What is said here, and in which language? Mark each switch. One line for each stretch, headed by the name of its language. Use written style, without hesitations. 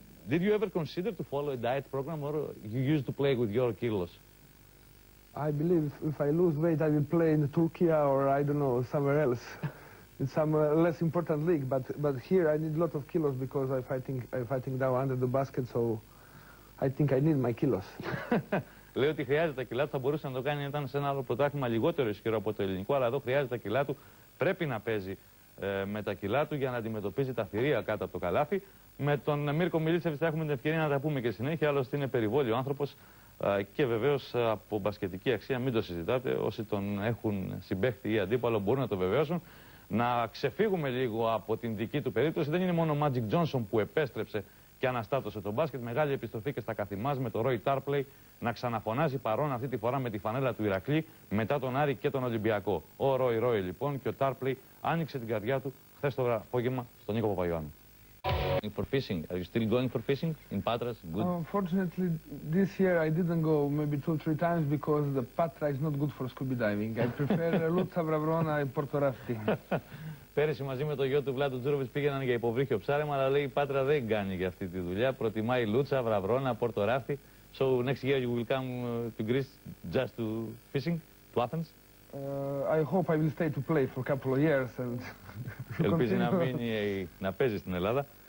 English: Did you ever consider to follow a diet program, or you used to play with your kilos? I believe if I lose weight, I will play in Turkey or I don't know somewhere else, in some less important league. But here I need a lot of kilos because I'm fighting down under the basket, so I think I need my kilos.
Greek: Λέει ότι χρειάζεται κιλά του, θα μπορούσε να το κάνει όταν σε ένα άλλο πρωτάθλημα λιγότερο ισχυρό από το ελληνικό, αλλά εδώ χρειάζεται κιλά του, πρέπει να παίζει με τα κιλά του για να αντιμετωπίζει τα θηρία κάτω από το καλάθι. Με τον Μίρκο Μιλίτσεβιτς θα έχουμε την ευκαιρία να τα πούμε και συνέχεια, άλλωστε είναι περιβόλιο άνθρωπος και βεβαίως από μπασκετική αξία, μην το συζητάτε, όσοι τον έχουν συμπαίχτη ή αντίπαλο μπορούν να το βεβαιώσουν. Να ξεφύγουμε λίγο από την δική του περίπτωση, δεν είναι μόνο ο Μάτζικ Τζόνσον που επέστρεψε και αναστάτωσε τον μπάσκετ, μεγάλη επιστροφή και στα καθημάς με τον Ρόι Τάρπλεϊ να ξαναφωνάζει παρόν αυτή τη φορά με τη φανέλα του Ηρακλή μετά τον Άρη και τον Ολυμπιακό. Ο Ρόι λοιπόν και ο Τάρπλεϊ άνοιξε την καρδιά του χθες το απόγευμα στον Νίκο Παπαϊωάννου.
English: For fishing, are you still going for fishing in Patras? Good. Unfortunately, this year I didn't go maybe 2-3 times because the Patra is not good for scuba diving. I prefer Luta Vravrona and Porto Rafti.
Greek: Πέρυσι μαζί με το γιο του Βλάτου Τζούροβιτς πήγαιναν για υποβρύχιο ψάρεμα, αλλά λέει η Πάτρα δεν κάνει για αυτή τη δουλειά. Προτιμάει Λούτσα, Βραβρώνα, Πόρτο Ράφτη.
English: So next year you will come to Greece just to fishing, to Athens? I hope I will stay to play for a couple of years and
Greek: ελπίζει να μείνει, να παίζει στην Ελλάδα.